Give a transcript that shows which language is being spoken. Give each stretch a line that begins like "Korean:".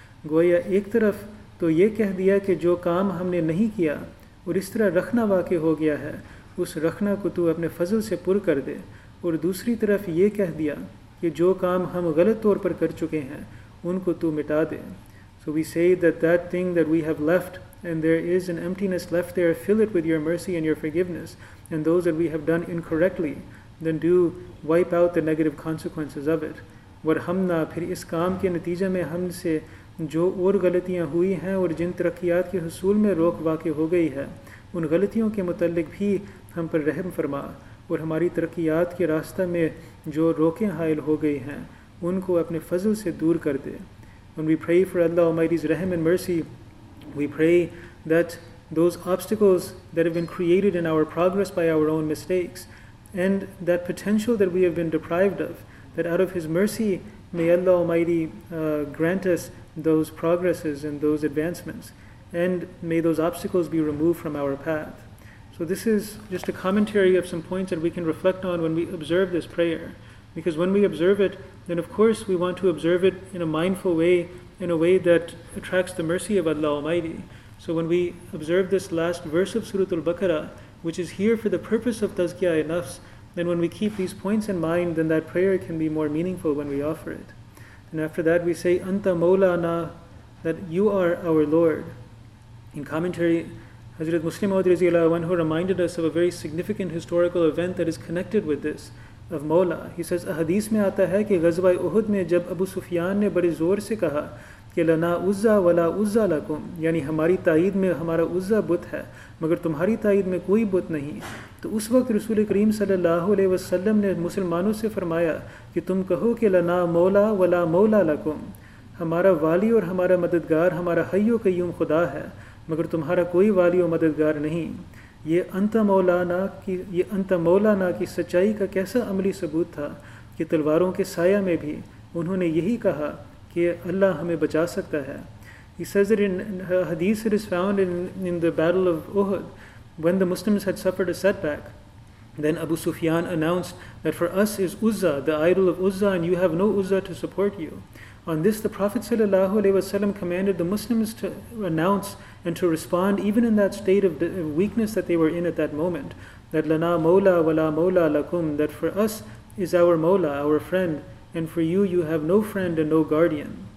Urdu: گویا ایک طرف تو یہ کہہ دیا کہ جو کام ہم نے نہیں کیا اور اس طرح رکھنا واقع ہو گیا ہے, اس رکھنا کو تو اپنے فضل سے پر کر دے, اور دوسری طرف یہ کہہ دیا کہ جو کام ہم غلط طور پر کر چکے ہیں ان کو تو مٹا دے.
English: So we say that that thing that we have left, and there is an emptiness left there, fill it with your mercy and your forgiveness, and those that we have done incorrectly, then do wipe out the negative consequences of it.
Urdu: وَرْحَمْنَا, پھر اس کام کے نتیجے میں ہم سے جو اور غلطیاں ہوئی ہیں اور جن ترقیات کے حصول میں روک واقع ہو گئی ہے, ان غلطیوں کے متعلق بھی ہم پر رحم فرما, اور ہماری ترقیات کے راستہ میں جو روکیں حائل ہو گئی ہیں ان کو اپنے فضل سے دور کر دے.
English: When we pray for Allah Almighty's rahm and mercy, we pray that those obstacles that have been created in our progress by our own mistakes, and that potential that we have been deprived of, that out of His mercy may Allah Almighty grant us those progresses and those advancements, and may those obstacles be removed from our path. So this is just a commentary of some points that we can reflect on when we observe this prayer. Because when we observe it, then of course we want to observe it in a mindful way, in a way that attracts the mercy of Allah Almighty. So when we observe this last verse of Surah Al-Baqarah, which is here for the purpose of tazkiyah nafs, then when we keep these points in mind, then that prayer can be more meaningful when we offer it. And after that we say,
Arabic: Anta Mawlana,
English: that you are our Lord. In commentary, Hazrat Muslim Maud رضی اللہ عنہ reminded us of a very significant historical event that is connected with this, of Mawla. He says,
Urdu: احادیث میں آتا ہے کہ غزوہ احد میں جب ابو سفیان نے بڑے زور سے کہا کہ
Arabic: لنا عزہ ولا عزہ لکم,
Urdu: یعنی ہماری تائید میں ہمارا عزہ بت ہے مگر تمہاری تائید میں کوئی بت نہیں, تو اس وقت رسول کریم صلی اللہ علیہ وسلم نے مسلمانوں سے فرمایا کہ تم کہو کہ
Arabic: لنا مولا ولا مولا لکم,
Urdu: ہمارا والی اور ہمارا مددگار ہمارا حی و قیوم خدا ہے مگر تمہارا کوئی والی و مددگار نہیں. یہ انت مولانا کی سچائی کا کیسا عملی ثبوت تھا کہ تلواروں کے سایہ میں بھی انہوں نے یہی کہا کہ اللہ ہمیں بچا سکتا ہے.
English: He says that in hadith it is found in the battle of Uhud, when the Muslims had suffered a setback, then Abu Sufyan announced that for us is Uzza, the idol of Uzza, and you have no Uzza to support you. On this, the Prophet sallallahu alaihi wasallam commanded the Muslims to announce and to respond, even in that state of weakness that they were in at that moment, that
Arabic: lana mawla wa la mawla lakum,
English: that for us is our mawla, our friend, and for you, you have no friend and no guardian.